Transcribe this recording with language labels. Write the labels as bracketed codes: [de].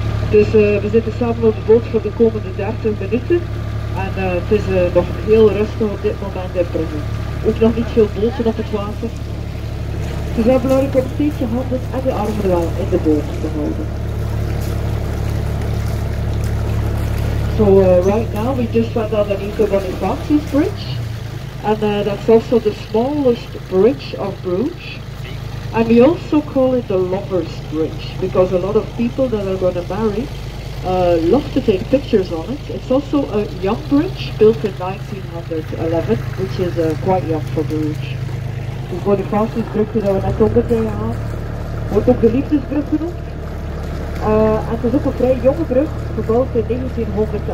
[nl] Dus we zitten samen op de boot voor de komende 30 minuten. En het is nog heel rustig op dit moment in Brugge. Ook nog niet veel boten op het water. Het is wel belangrijk om steeds je handen en je armen wel in de boot te houden. [en] So right now we just went underneath the Bonifacius Bridge. And that's also the smallest bridge of Bruges. And we also call it the Lovers Bridge, because a lot of people that are going to marry love to take pictures on it. It's also a young bridge, built in 1911, which is quite young for Bruges. We go to the brug that we net over there had. [nl] Wordt ook de liefdesbrug genoemd. En het is ook een vrij jonge brug, gebouwd in 1912.